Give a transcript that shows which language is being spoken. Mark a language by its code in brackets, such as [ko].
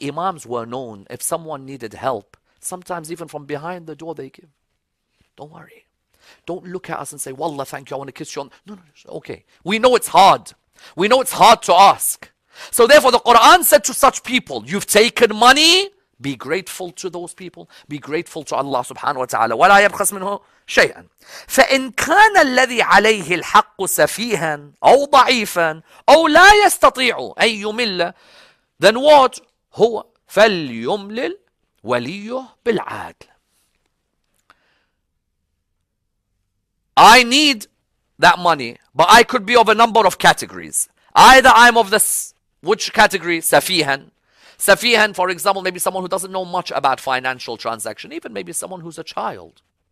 [en] Imams were known, if someone needed help, sometimes even from behind the door, they give. Don't worry. Don't look at us and say, Wallah, thank you. I want to kiss you. No. Okay. We know it's hard. We know it's hard to ask. So therefore, the Quran said to such people, you've taken money. Be grateful to those people. Be grateful to Allah subhanahu wa ta'ala. [ar] وَلَا يَبْخَسْ مِنْهُ شَيْئًا فَإِنْ كَانَ الَّذِي عَلَيْهِ الْحَقُّ سَفِيهًا أَوْ ضَعِيفًا أَوْ لَا يَسْتَطِيعُ أَنْ يُمِلَّ [en] Then what? [ar] هُوَ فَلْيُمْلِلْ وَلِيُّهُ بِالْعَادْلِ [en] I need that money, but I could be of a number of categories. Either I'm of this, which category? [ar] سَفِيهًا. [en] Safihan, for example, maybe someone who doesn't know much about financial transaction, even maybe someone who's a child.